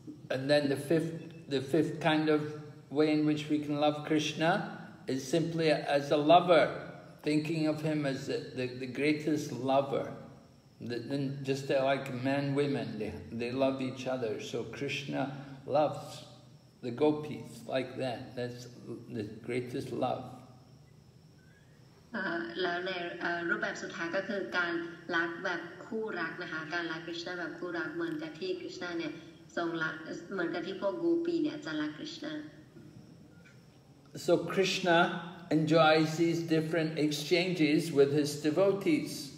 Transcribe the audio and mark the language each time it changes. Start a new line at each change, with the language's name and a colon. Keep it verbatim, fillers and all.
English: And then the fifth, the fifth kind of way in which we can love Krishna is simply as a lover, thinking of him as the, the, the greatest lover. The, the, just like men, women, they, they love each other. So Krishna loves the gopis like that. That's the greatest love.
Thai: แล้วในรูปแบบสุดท้ายก็คือการรักแบบคู่รักนะคะการรักคริสต์แบบคู่รักเหมือนกับที่คริสต์เนี่ยทรงรักเหมือนกับที่พวกกูปีเนี่ยจะรักคริสต์
English: So Krishna enjoys these different exchanges with his devotees.